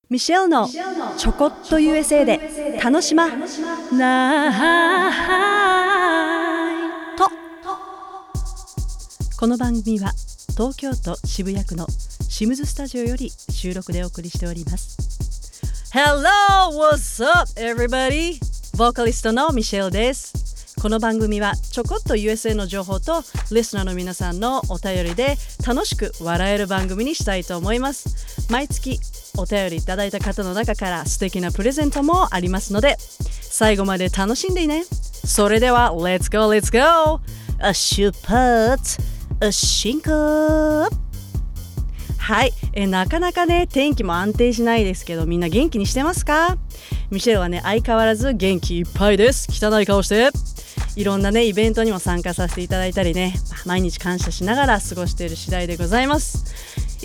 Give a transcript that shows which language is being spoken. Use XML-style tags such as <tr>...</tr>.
<ja>ミシェルのちょこっと USA で楽しまなーいと。この番組は東京都渋谷区のシムズスタジオより収録でお送りしております。</ja> <en>Hello, what's up everybody?</en> <ja>ボーカリストのミシェルです。この番組はちょこっと USA の情報とリスナーの皆さんのお便りで楽しく笑える番組にしたいと思います。毎月お便りいただいた方の中から素敵なプレゼントもありますので最後まで楽しんでね。それでは</ja> <en>Let's go, let's go!</en> <ja>出発進行。はい、なかなかね天気も安定しないですけど、みんな元気にしてますか？ミシェルはね相変わらず元気いっぱいです。汚い顔して。いろんなねイベントにも参加させていただいたりね、毎日感謝しながら過ごしている次第でございます。</ja>